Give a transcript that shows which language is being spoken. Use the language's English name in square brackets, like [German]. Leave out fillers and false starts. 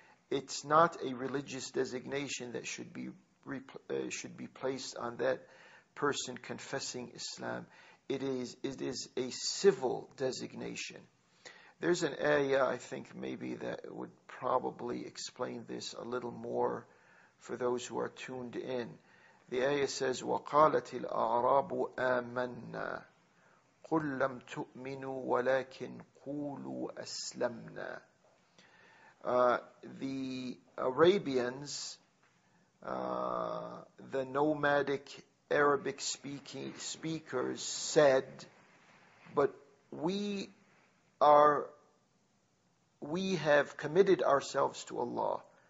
[English] It's not a religious designation that should be placed on that person confessing Islam. It is a civil designation. There's an ayah, I think, maybe that would probably explain this a little more for those who are tuned in. The ayah says, [Arabic] وَقَالَتِ الْأَعْرَابُ آمَنَّا قُلْ لَمْ تُؤْمِنُوا وَلَكِنْ قُولُوا أَسْلَمْنَا. [English] The Arabians, the nomadic Arabic speakers said, but we have committed ourselves to Allah.